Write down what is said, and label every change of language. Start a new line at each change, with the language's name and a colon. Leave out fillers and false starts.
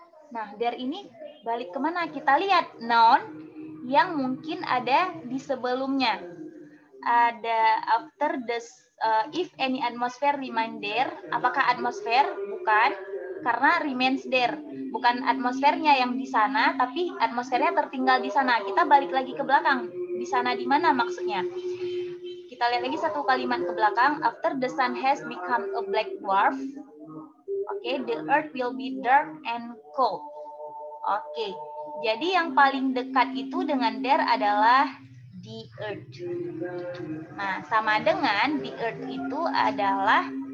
Indonesian: Nah, there ini balik kemana? Kita lihat noun yang mungkin ada di sebelumnya.
English: Ada after the if any atmosphere remains there.
Indonesian: Apakah atmosphere? Bukan. Karena
English: remains there.
Indonesian: Bukan atmosfernya yang di sana, tapi atmosfernya tertinggal di sana. Kita balik lagi ke belakang. Di sana di mana maksudnya? Kita lihat lagi satu kalimat ke belakang.
English: After the sun has become a black dwarf, okay, the earth will be dark and cold. Oke, okay.
Indonesian: Jadi yang paling dekat itu dengan there adalah the earth. Nah, sama dengan the earth itu adalah